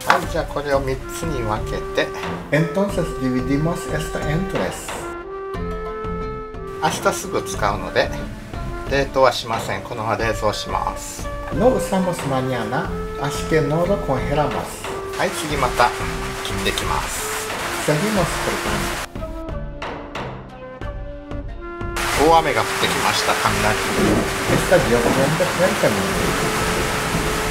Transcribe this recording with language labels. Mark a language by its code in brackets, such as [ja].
[ja] じゃあこれを3つに分けて。 [es] Entonces dividimos esta en tres。 [ja] 明日すぐ使うので、冷凍はしません。このまま冷蔵します。 [es] No usamos mañana, así que no lo congelamos。 [ja] はい、次また切っていきます。 [es] Seguimos cortando。 [ja] 大雨が降ってきました。雷。 [es] Está lloviendo fuertemente。